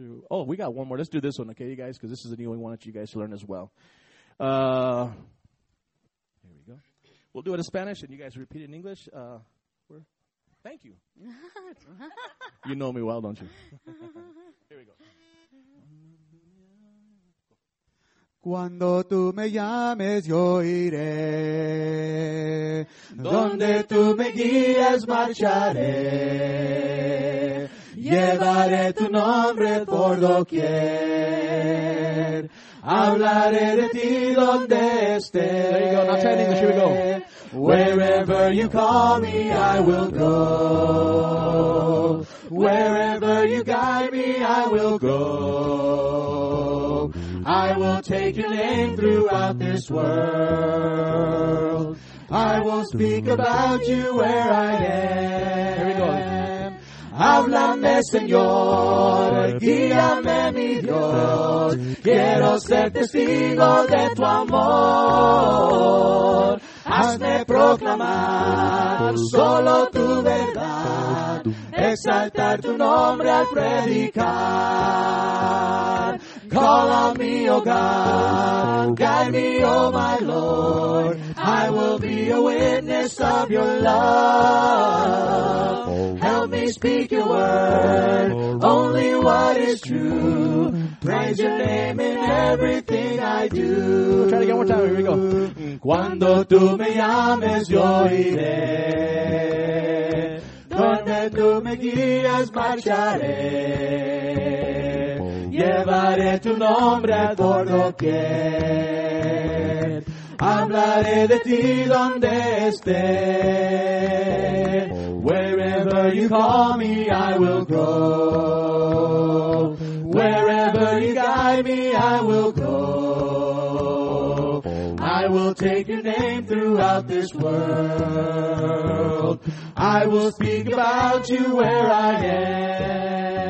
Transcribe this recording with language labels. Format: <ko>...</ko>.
<en>Oh, we got one more. Let's do this one, okay, you guys, because this is a new one we want you guys to learn as well. Here we go. We'll do it in Spanish, and you guys repeat it in English. Thank you. You know me well, don't you? Here we go.</en> <es>Cuando tú me llames, yo iré. Donde tú me guías, marcharé. Llevaré tu nombre por doquier. Hablaré de ti donde esté.</es> <en>There you go. Now try in English. Here we go. Wherever you call me, I will go. Wherever you guide me, I will go. I will take your name throughout this world. I will speak about you where I am. Here we go.</en> <es>Háblame, Señor, guíame, mi Dios. Quiero ser testigo de tu amor. Hazme proclamar solo tu verdad. Exaltar tu nombre al predicar.</es> <en>Call on me, O God. Guide me, O my Lord. I will be a witness of your love. Help me speak your word, only what is true. Praise your name in everything I do. Try it again one time. Here we go.</en> <es>Cuando tú me llames, yo iré. Donde tú me guías, marcharé. Llevaré tu nombre por doquier. Hablaré de ti donde esté.</es> <en>Wherever you call me, I will go. Wherever you guide me, I will go. I will take your name throughout this world. I will speak about you where I am.</en>